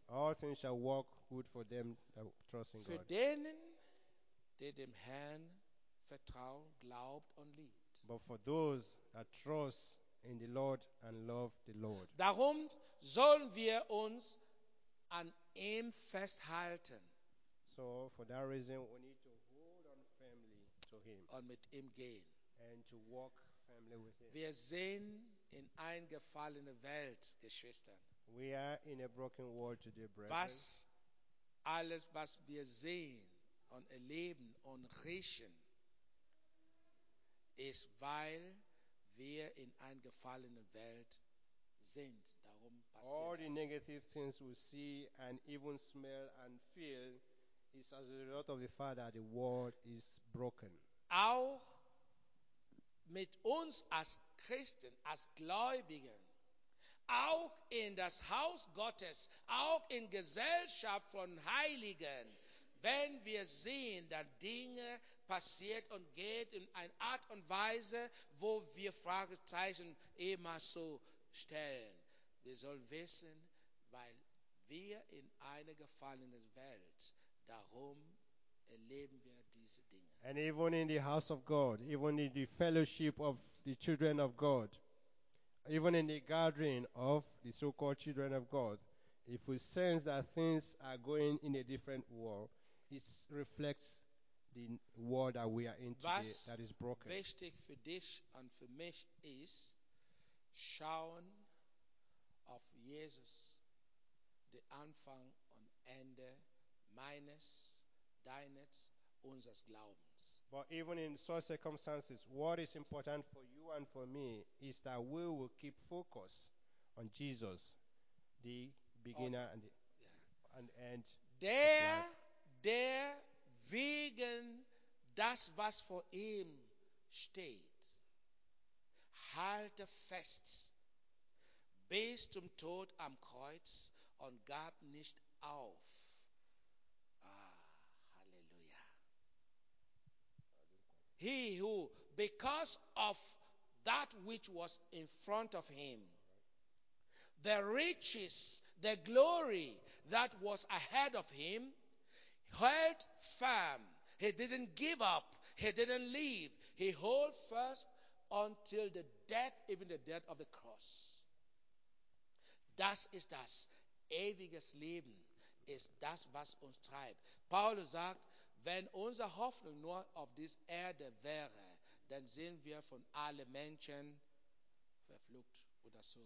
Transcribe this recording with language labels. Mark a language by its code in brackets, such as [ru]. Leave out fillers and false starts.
[en] All things shall work good for them that trust in [de] für [en] God. [de] Für denen, die dem Herrn vertrauen, glaubt und liebt. [en] But for those that trust in the Lord and love the Lord. [de] Darum sollen wir uns an ihm festhalten. [en] So for that reason we need to hold on firmly to him. [de] Und mit ihm gehen. [en] And to walk firmly with him. [de] Wir sehen in ein gefallene Welt, Geschwister. [en] We are in a broken world today, brethren. [de] Was alles, was wir sehen und erleben und riechen, ist weil wir in einer gefallenen Welt sind. Darum passiert [en] all the negative things we see and even smell and feel is as a result of the fact that the world is broken. [de] Auch mit uns als Christen, als Gläubigen, auch in das Haus Gottes, auch in Gesellschaft von Heiligen, wenn wir sehen, dass Dinge passiert und geht in eine Art und Weise, wo wir Fragezeichen immer so stellen. Wir sollen wissen, weil wir in einer gefallenen Welt, darum erleben wir diese Dinge. [en] And even in the house of God, even in the fellowship of the children of God, even in the gathering of the so-called children of God, if we sense that things are going in a different world, it reflects the world that we are in today [de] was [en] that is broken. [de] Was wichtig für dich und für mich ist, schauen auf Jesus, den Anfang und Ende meines, deines, unseres Glaubens. [en] But even in such circumstances, what is important for you and for me is that we will keep focus on Jesus, the beginner and the end. [de] Der wegen das, was vor ihm steht, halte fest bis zum Tod am Kreuz und gab nicht auf. Ah, Halleluja. [en] He who, because of that which was in front of him, the riches, the glory that was ahead of him, held firm. He didn't give up. He didn't leave. He held first until the death, even the death of the cross. [de] Das ist das. Ewiges Leben ist das, was uns treibt. Paulus sagt, Wenn unsere Hoffnung nur auf diese Erde wäre, dann sind wir von allen Menschen verflucht oder so.